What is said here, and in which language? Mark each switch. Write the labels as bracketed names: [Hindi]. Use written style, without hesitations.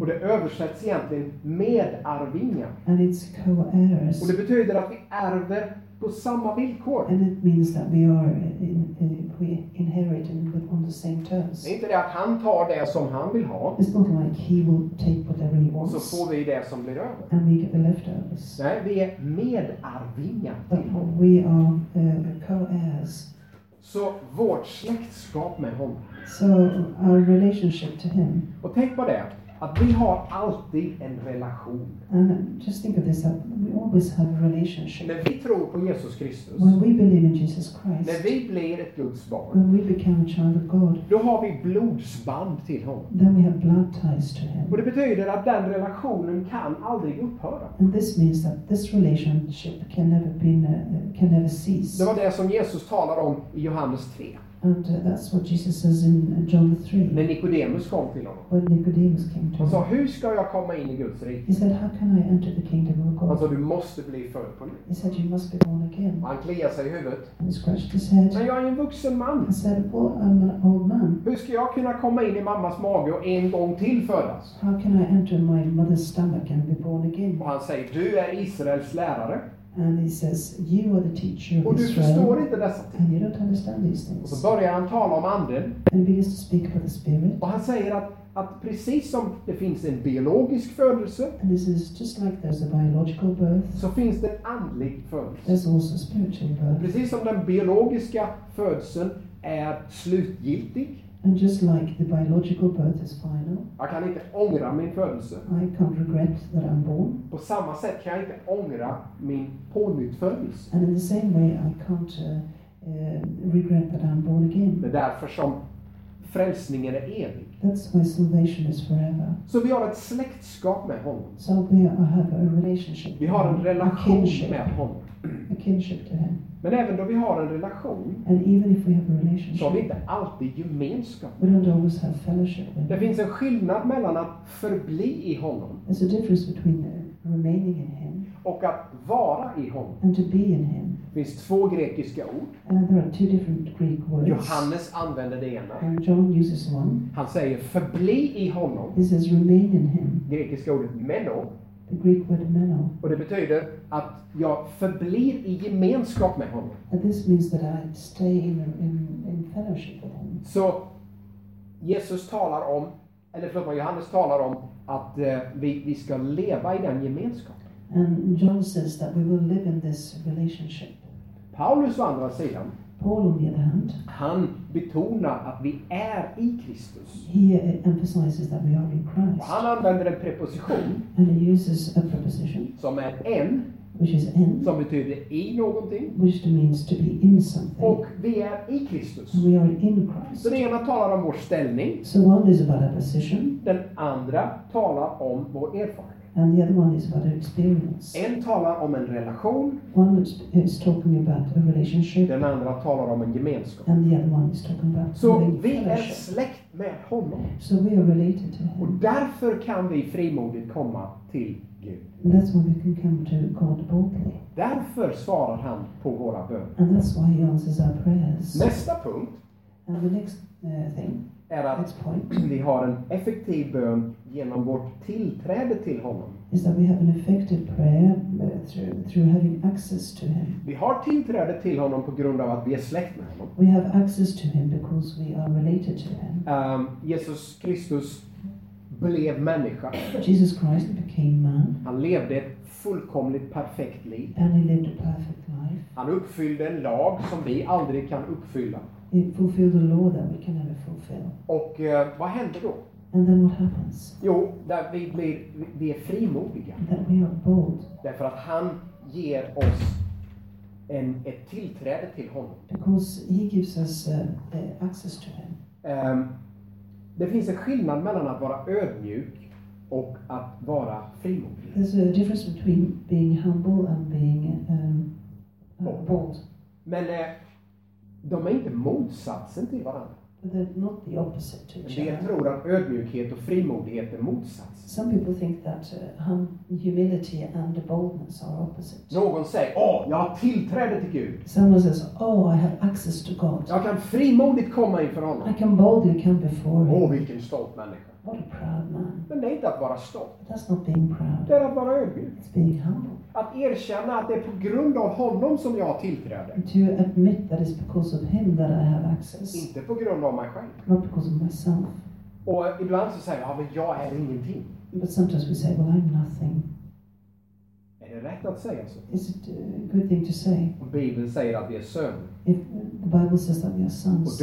[Swedish] Och det översätts egentligen med arvingar. [English] And it's co-heirs. [Swedish] Och det betyder att vi ärver på samma villkor. [English] And it means that we are we inherit on the same terms. [Swedish] Det är inte det att han tar det som han vill ha. [English] It's not like he will take whatever he wants. [Swedish] Så får vi det som blir över. [English] And we get the leftovers. [Swedish] Nej, vi är medarvingar. [English] But we are co-heirs. [Swedish] Så vårt släktskap med honom. [English] So our relationship to him. [Swedish] Och tänk på det. Att vi har alltid en relation. [English] And just think of this, that we always have a relationship. [Swedish] När vi tror på Jesus Kristus. [English] When we believe in Jesus Christ. [Swedish] När vi blir ett Guds barn. [English] When we become a child of God. [Swedish] Då har vi blodsband till honom. [English] Then we have blood ties to him. [Swedish] Och det betyder att den relationen kan aldrig upphöra. [English] And this means that this relationship can never cease. [Swedish] Det var det som Jesus talar om i Johannes 3. [English] And that's what Jesus says in John 3. [Swedish] När Nikodemus kom till honom. [English] When Nicodemus came to [Swedish] him. Han sa, hur ska jag komma in i Guds rike? [English] He said, how can I enter the kingdom of God? [Swedish] Han sa, du måste bli född på nytt. [English] He said, you must be born again. [Swedish] Och han kliade sig i huvudet. [English] And he scratched his head. [Swedish] Men jag är en vuxen man. [English] He said, well, I'm an old man. [Swedish] Hur ska jag kunna komma in i mammas mage och en gång till födas? [English] How can I enter my mother's stomach and be born again? [Swedish] Och han säger, du är Israels lärare. [English] And he says, you are the teacher of Israel. [Swedish] Och du förstår inte dessa [English] ting. And you don't understand these things. [Swedish] Och så börjar han tala om anden. [English] And he begins to speak about the spirit. [Swedish] Och han säger att precis som det finns en biologisk födelse. [English] And this is just like there's a biological birth. [Swedish] Så finns det en andlig födelse. [English] There's also a spiritual birth. [Swedish] Precis som den biologiska födelsen är slutgiltig. [English] And just like the biological birth is final. [Swedish] Jag kan inte ångra min födelse. [English] I can't regret that I'm born. [Swedish] På samma sätt kan jag inte ångra min pånyttfödelse. [English] And in the same way I can't regret that I'm born again. [Swedish] Det är därför som frälsningen är evig. [English] That's why salvation is forever. [Swedish] Så vi har ett släktskap med honom. [English] So we have a relationship. [Swedish] Vi har en relation med honom. [English] A kinship to him. [Swedish] Men även då vi har en relation. [English] And even if we have a relationship. [Swedish] Så har vi inte alltid gemenskap. [English] We don't always have fellowship with him. [Swedish] Det finns en skillnad mellan att förbli i honom. [English] There's a difference between remaining in him. [Swedish] Och att vara i honom. [English] And to be in him. [Swedish] Det finns två grekiska ord. [English] There are two different Greek words. [Swedish] Johannes använder det ena. [English] And John uses one. [Swedish] Han säger förbli i honom. [English] He says remain in him. [Swedish] Grekiska ordet meno. [English] The Greek word meno. [Swedish] Och det betyder att jag förblir i gemenskap med honom. [English] And this means that I stay in fellowship with him. [Swedish] Så Jesus talar om eller förlåt, Johannes talar om att vi ska leva i den gemenskapen. [English] And John says that we will live in this relationship. [Swedish] Paulus å andra sidan, [English] Paul on the other hand, [Swedish] han betonar att vi är i Kristus. [English] He emphasizes that we are in Christ. [Swedish] Och han använder en preposition, [English] and he uses a preposition, [Swedish] som är en, [English] which is in, [Swedish] som betyder i någonting, [English] which means to be in something. [Swedish] Och vi är i Kristus. [English] We are in Christ. [Swedish] Så den ena talar om vår ställning. [English] So one is about our position. [Swedish] Den andra talar om vår erfarenhet. [English] And the other one is about our experience. [Swedish] En talar om en relation. [English] One is talking about a relationship. [Swedish] Den andra talar om en gemenskap. [English] And the other one is talking about [Swedish] so vi är släkt med honom. [English] So we are related to him. [Swedish] Och därför kan vi frimodigt komma till Gud. [English] That's why we can come to God boldly. [Swedish] Därför svarar han på våra böner. [English] And that's why he answers our prayers. [Swedish] Nästa punkt. [English] And the next thing. [Swedish] Är att [English] point, [Swedish] vi har en effektiv bön genom vårt tillträde till honom. [English] Is that we have an effective prayer through having access to him. [Swedish] Vi har tillträde till honom på grund av att vi är släkt med honom. [English] We have access to him because we are related to him. [Swedish] Jesus Kristus blev människa. [English] Jesus Christ became man. [Swedish] Han levde ett fullkomligt perfekt liv. [English] And he lived a perfect life. [Swedish] Han uppfyllde en lag som vi aldrig kan uppfylla. [English] It fulfilled the law that we can never fulfill. [Swedish] Och vad händer då? [English] And then what happens? [Swedish] Jo, där vi är frimodiga. [English] That we are bold. [Swedish] Därför att han ger oss ett tillträde till honom. [English] Because he gives us access to him. [Swedish] Det finns en skillnad mellan att vara ödmjuk och att vara frimodig. [English] There's a difference between being humble and being bold. [Swedish] Men de är inte motsatsen till varandra. [English] They're not the opposite to each other. [Swedish] Men jag tror att ödmjukhet och frimodighet är motsats. [English] Some people think that humility and boldness are opposite. [Swedish] Någon säger, åh, jag har tillträde till Gud. [English] Someone says, oh, I have access to God. [Swedish] Jag kan frimodigt komma inför honom. [English] I can boldly come before him. [Swedish] Åh, vilken stolt människa. [English] What a proud man. [Swedish] Men det är inte att vara stolt. [English] But that's not being proud. [Swedish] Det är att vara ödmjuk. [English] It's being humble. [Swedish] Att erkänna att det är på grund av honom som jag har tillträde. [English] To admit that it's because of him that I have access. [Swedish] Inte på grund av mig själv. [English] Not because of myself. [Swedish] Och ibland så säger jag, men jag är ingenting. [English] But sometimes we say, well, I'm nothing. [Swedish] Är det rätt att säga så? [English] Is it a good thing to say? [Swedish] Och Bibeln säger att vi är söner. [English] If the Bible says that we are sons.